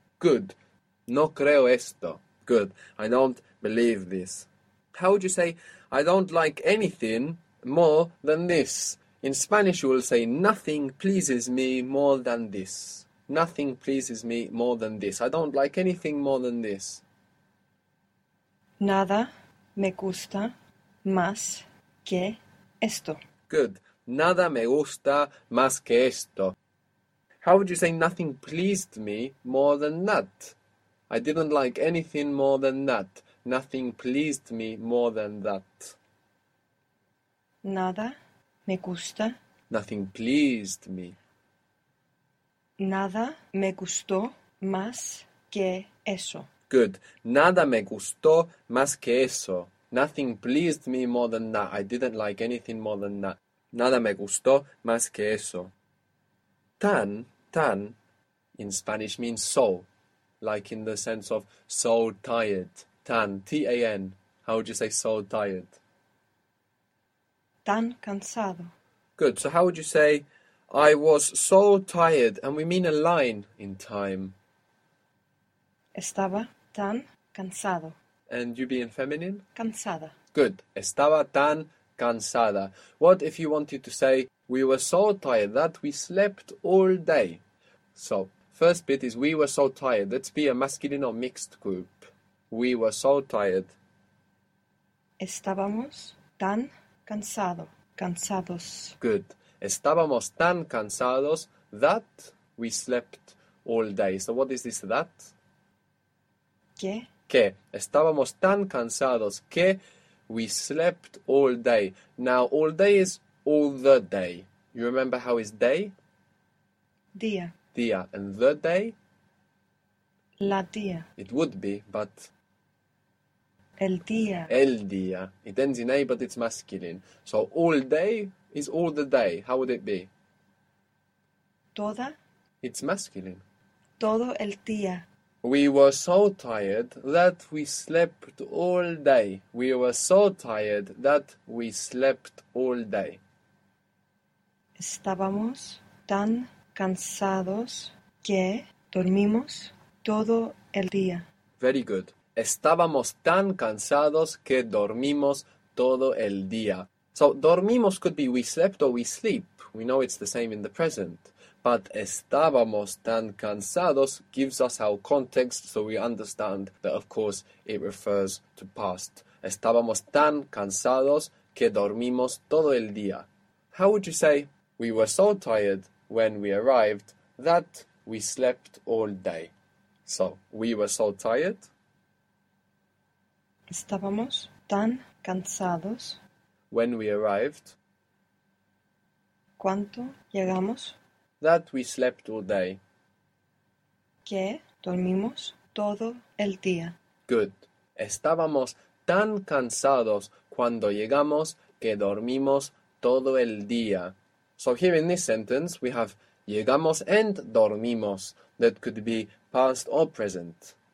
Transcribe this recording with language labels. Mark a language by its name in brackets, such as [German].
[English] Good. [Spanish] No creo esto. [English] Good. I don't believe this. How would you say I don't like anything more than this? In Spanish, you will say nothing pleases me more than this. Nothing pleases me more than this. I don't like anything more than this. [Spanish] Nada me gusta más que esto. [English] Good. [Spanish] Nada me gusta más que esto. [English] How would you say nothing pleased me more than that? I didn't like anything more than that. Nothing pleased me more than that. [Spanish] Nada me gusta. [English] Nothing pleased me. [Spanish] Nada me gustó más que eso. [English] Good. [Spanish] Nada me gustó más que eso. [English] Nothing pleased me more than that. I didn't like anything more than that. [Spanish] Nada me gustó más que eso. [English] Tan, in Spanish means so, like in the sense of so tired. Tan, TAN. How would you say so tired? [Spanish] Tan cansado. [English] Good. So how would you say I was so tired? And we mean a line in time. [Spanish] Estaba tan cansado. [English] And you being feminine? [Spanish] Cansada. Good. Estaba tan cansada. [English] What if you wanted to say, we were so tired that we slept all day? So, first bit is, we were so tired. Let's be a masculine or mixed group. We were so tired. [Spanish] Estábamos tan cansado, cansados. [English] Good. [Spanish] Estábamos tan cansados [English] that we slept all day. So, what is this that? [Spanish] ¿Qué? Que estábamos tan cansados que [English] we slept all day. Now, all day is all the day. You remember how is day? [Spanish] Día. [English] Día. And the day? [Spanish] La día. [English] It would be, but. [Spanish] El día. El día. [English] It ends in A, but it's masculine. So, all day is all the day. How would it be? [Spanish] Toda. [English] It's masculine. [Spanish] Todo el día. [English] We were so tired that we slept all day. We were so tired that we slept all day. [Spanish] Estábamos tan cansados que dormimos todo el día. [English] Very good. [Spanish] Estábamos tan cansados que dormimos todo el día. [English] So, dormimos could be we slept or we sleep. We know it's the same in the present. But [Spanish] estábamos tan cansados [English] gives us our context so we understand that, of course, it refers to past. [Spanish] Estábamos tan cansados que dormimos todo el día. [English] How would you say we were so tired when we arrived that we slept all day? So, we were so tired. [Spanish] Estábamos tan cansados. [English] When we arrived. [Spanish] ¿Cuánto llegamos? [English] That we slept all day. [Spanish] Que dormimos todo el día. [English] Good. [Spanish] Estábamos tan cansados cuando llegamos que dormimos todo el día. [English] So here in this sentence we have llegamos and dormimos. That could be past or present.